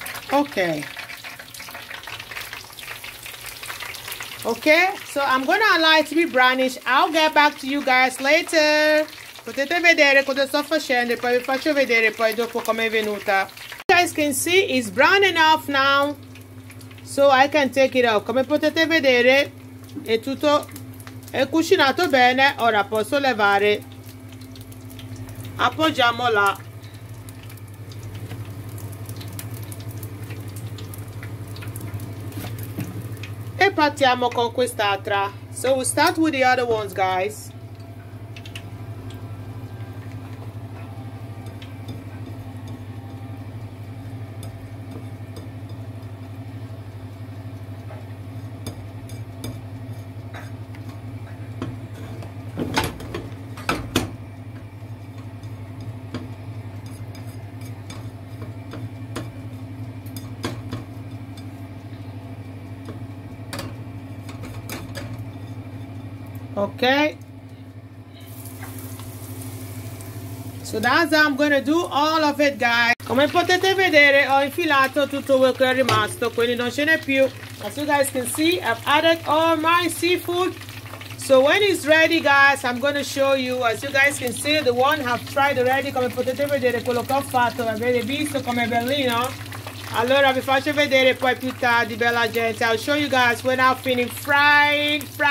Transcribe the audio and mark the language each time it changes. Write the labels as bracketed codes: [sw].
[en] Okay. Okay, so I'm going to allow it to be brownish. I'll get back to you guys later. [it] Potete vedere cosa sto facendo e poi vi faccio vedere poi dopo come è venuta. [en] You guys can see it's brown enough now, so I can take it out. [it] Come potete vedere è tutto, è cucinato bene, ora posso levare. Appoggiamo là. E partiamo con quest'altra. [en] So we'll start with the other ones, guys. Thank you. Okay. So that's how I'm gonna do all of it, guys. [it] Come potete vedere, ho infilato tutto quello che è rimasto, quindi non ce n'è più. [en] As you guys can see, I've added all my seafood. So when it's ready, guys, I'm gonna show you. As you guys can see, the one I've tried already. [it] Come potete vedere quello che ho fatto, avete visto come è bellino. Allora vi faccio vedere poi più tardi, bella gente. [en] I'll show you guys when I'm finished frying.